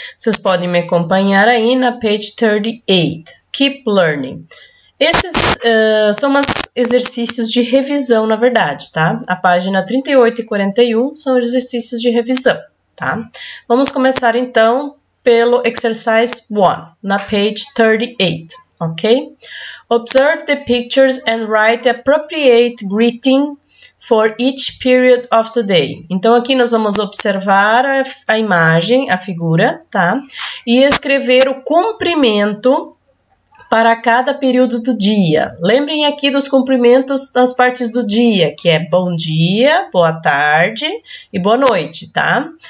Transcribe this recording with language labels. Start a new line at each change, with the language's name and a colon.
Portuguese: Vocês podem me acompanhar aí na page 38.
English: Keep learning.
Portuguese: Esses são os exercícios de revisão, na verdade, tá? A página 38 e 41 são exercícios de revisão, tá? Vamos começar então pelo exercise 1, na page 38, ok?
English: Observe the pictures and write the appropriate greeting for each period of the day.
Portuguese: Então, aqui nós vamos observar a imagem, a figura, tá? E escrever o cumprimento para cada período do dia. Lembrem aqui dos cumprimentos nas partes do dia, que é bom dia, boa tarde e boa noite, tá?